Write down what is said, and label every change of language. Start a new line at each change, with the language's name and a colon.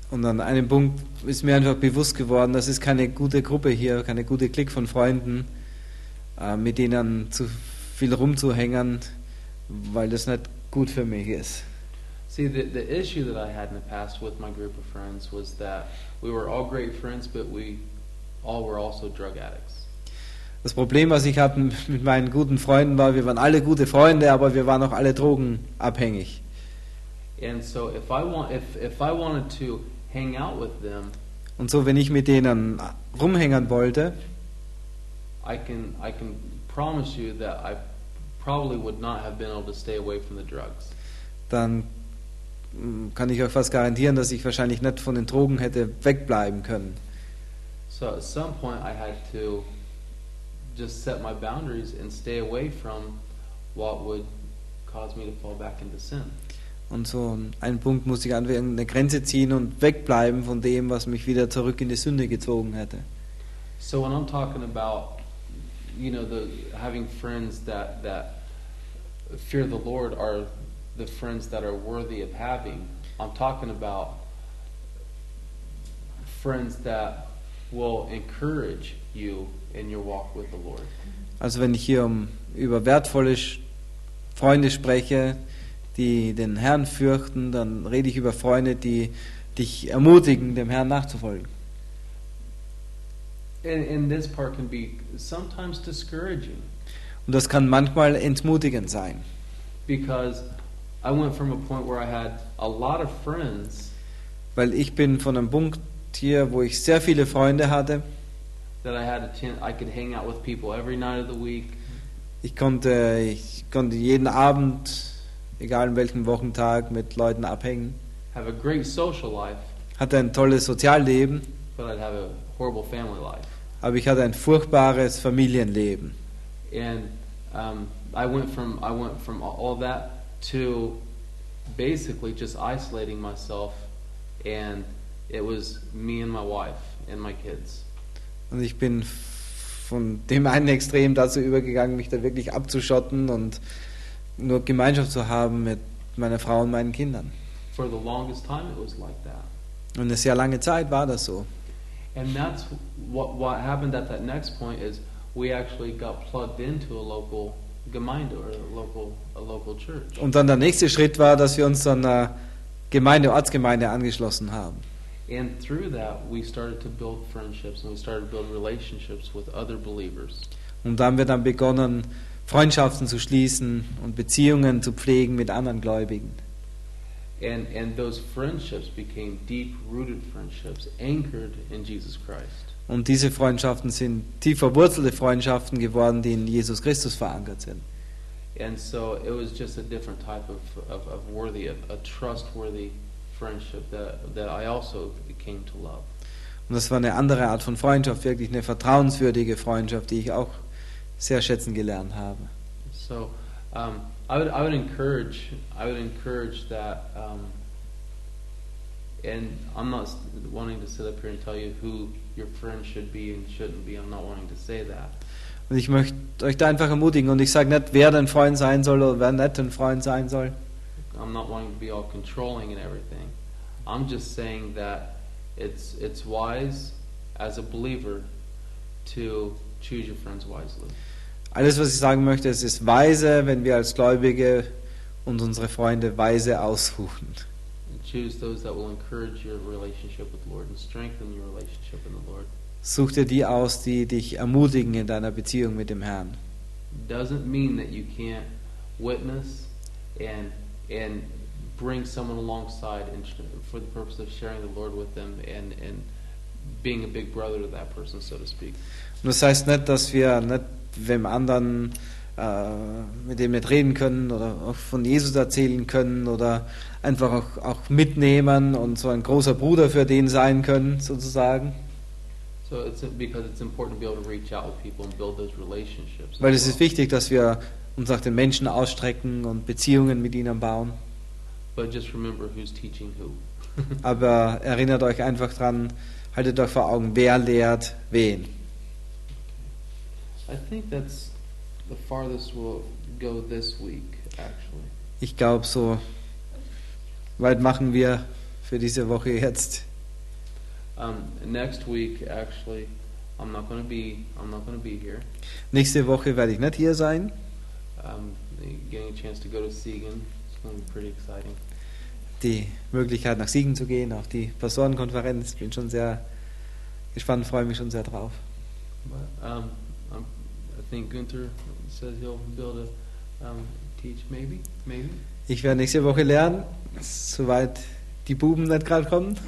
German: Und an einem Punkt ist mir einfach bewusst geworden, das ist keine gute Gruppe hier, keine gute Clique von Freunden, mit denen zu viel rumzuhängen, weil das nicht gut für mich ist.
English: See, the issue that I had in the past with my group of friends was that we were all great friends, but we all were also drug addicts.
German: Das Problem, was ich hatte mit meinen guten Freunden, war, wir waren alle gute Freunde, aber wir waren auch alle drogenabhängig.
English: And so if I wanted to hang out with them,
German: und so wenn ich mit denen rumhängen wollte,
English: I can promise you that I probably would not have been able to stay away from the drugs.
German: Dann kann ich euch fast garantieren, dass ich wahrscheinlich nicht von den Drogen hätte wegbleiben können.
English: So at some point I had to just set my boundaries and stay away from what would cause me to fall back into sin.
German: Und so an einem Punkt musste ich eine Grenze ziehen und wegbleiben von dem, was mich wieder zurück in die Sünde gezogen hätte.
English: So when I'm talking about, you know, the having friends that fear the Lord are the friends that are worthy of having, I'm talking about friends that will encourage you in your walk with the Lord.
German: Also wenn ich hier über wertvolle Freunde spreche, die den Herrn fürchten, dann rede ich über Freunde, die dich ermutigen, dem Herrn nachzufolgen.
English: And this part can be sometimes discouraging.
German: Und das kann manchmal entmutigend sein.
English: Because I went from a point where I had a lot of friends.
German: Weil ich bin von einem Punkt hier, wo ich sehr viele Freunde hatte.
English: That I had a chance, I could hang out with people every night of the week.
German: Ich konnte jeden Abend, egal in welchem Wochentag, mit Leuten abhängen.
English: Have a great social life.
German: Hatte ein tolles Sozialleben.
English: But I'd have a horrible family life.
German: Aber ich hatte ein furchtbares Familienleben.
English: And I went from all that to basically just isolating myself, and it was me and my wife and my kids.
German: Und ich bin von dem einen Extrem dazu übergegangen, mich da wirklich abzuschotten und nur Gemeinschaft zu haben mit meiner Frau und meinen Kindern.
English: For the longest time it was like that.
German: Und eine sehr lange Zeit war das so.
English: And that's what happened at that next point is we actually got plugged into a local Gemeinde or a local church.
German: Und dann der nächste Schritt war, dass wir uns dann einer Gemeinde, Ortsgemeinde angeschlossen haben.
English: And through that we started to build friendships and we started to build relationships with other believers.
German: Und da haben wir dann begonnen, Freundschaften zu schließen und Beziehungen zu pflegen mit anderen Gläubigen.
English: And those friendships became deep rooted friendships anchored in Jesus Christ.
German: Und diese Freundschaften sind tief verwurzelte Freundschaften geworden, die in Jesus Christus verankert sind.
English: And so it was just a different type of worthy, a trustworthy friendship that I also came to love.
German: Und das war eine andere Art von Freundschaft, wirklich eine vertrauenswürdige Freundschaft, die ich auch sehr schätzen gelernt habe.
English: So I would encourage that and I'm not wanting to sit up here and tell you who your friend should be and shouldn't be. I'm not wanting to say that.
German: Und ich möchte euch da einfach ermutigen und ich sage nicht, wer dein Freund sein soll oder wer nicht dein Freund sein soll.
English: I'm not wanting to be all controlling and everything. I'm just saying that it's wise as a believer to choose your friends wisely.
German: Alles, was ich sagen möchte, es ist weise, wenn wir als Gläubige uns unsere Freunde weise aussuchen.
English: And choose those that will encourage your relationship with the Lord and strengthen your relationship in the Lord.
German: Such dir die aus, die dich ermutigen in deiner Beziehung mit dem Herrn.
English: Doesn't mean that you can't witness and bring someone alongside for the purpose of sharing the Lord with them and being a big brother to that person, so to speak.
German: Und das heißt nicht, dass wir nicht wem anderen mit dem wir reden können oder auch von Jesus erzählen können oder einfach auch mitnehmen und so ein großer Bruder für den sein können, sozusagen.
English: So it's because it's important to be able to reach out with people and build those relationships.
German: Weil es ist wichtig, dass wir uns nach den Menschen ausstrecken und Beziehungen mit ihnen bauen.
English: But just remember who's teaching who.
German: Aber erinnert euch einfach dran, haltet euch vor Augen, wer lehrt wen.
English: I think that's the farthest we'll go this week, actually.
German: Ich glaube, so weit machen wir für diese Woche jetzt.
English: Next week, actually, I'm not going to be here.
German: Nächste Woche werde ich nicht hier sein.
English: Getting a chance to go to Siegen, it's going to be pretty exciting.
German: die Möglichkeit nach Siegen zu gehen, auch die Pastorenkonferenz. Ich bin schon sehr gespannt, freue mich schon sehr drauf.
English: I think Günther says he'll build a teach maybe.
German: Ich werde nächste Woche lernen, soweit die Buben nicht gerade kommen.